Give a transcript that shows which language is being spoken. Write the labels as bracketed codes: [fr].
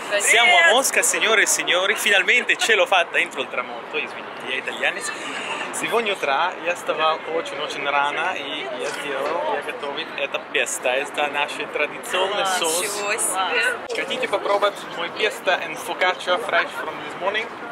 [it] Siamo a Mosca, signore e signori. Finalmente ce l'ho fatta entro il tramonto. Gli italiani. [ru] Сегодня утро я вставал очень-очень рано и я сделал, я готовил это песто. Это наш традиционный соус. Ничего себе! Хотите попробовать мой песто [en] and focaccia fresh from this morning?